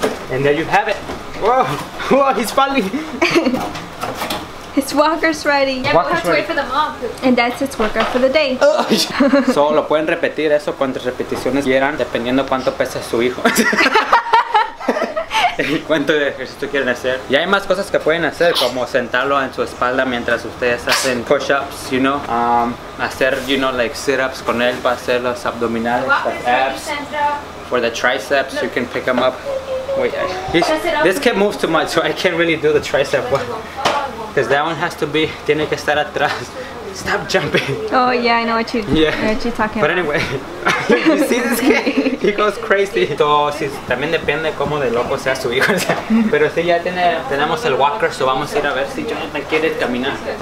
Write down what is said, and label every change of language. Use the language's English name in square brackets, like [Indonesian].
[English] And there you have it. Whoa, he's falling. His walker's ready. Yeah, walker's we'll have to ready. Wait for the mom. And that's his workout for the day. [Spanish] So, lo pueden repetir eso cuántas repeticiones quieran, dependiendo cuánto pesa su hijo. Y cuánto ejercicio quieren hacer. Y hay más cosas que pueden hacer, como sentarlo en su espalda mientras ustedes hacen push-ups, you know. Hacer, [English] you know, like sit-ups [Spanish] con él para hacer los abdominales, los abs. [English] For the triceps, you can pick him up. Wait, this kid moves too much, so I can't really do the tricep one. Because that one has to be, [Spanish] tiene que estar atrás. [English] Stop jumping. Oh yeah, I know what you're talking about. But anyway, you see this kid? He goes crazy. [Spanish] Entonces, también depende cómo de loco sea su hijo. Pero sí, ya tenemos el walker, so vamos a ir a ver si Jonathan quiere caminar.